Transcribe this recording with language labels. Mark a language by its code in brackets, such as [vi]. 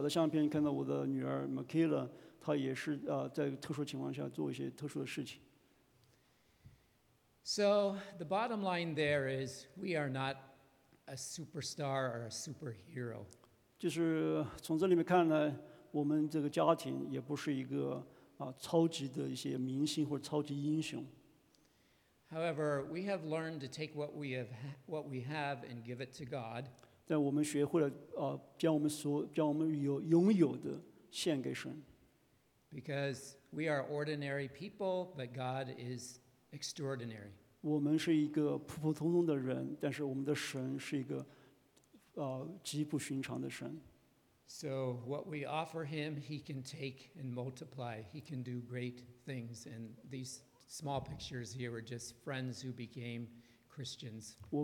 [zh] 就是在这个小的相片看到我的女儿 Michaela， 她也是在特殊情况下做一些特殊的事情。 [en] So the bottom line there is we are not a superstar or a superhero. [zh] 就是从这里面看呢，我们这个家庭也不是一个超级的一些明星或者超级英雄。 [en] However, we have learned to take what we have and give it to God. [zh] 但我们学会了将我们拥有的献给神。 [en] Because we are ordinary people, but God is extraordinary. [zh] 我们是一个普普通通的人，但是我们的神是一个极不寻常的神。 [en] So what we offer him, he can take and multiply. He can do great things. And these small pictures here were just friends who became Christians.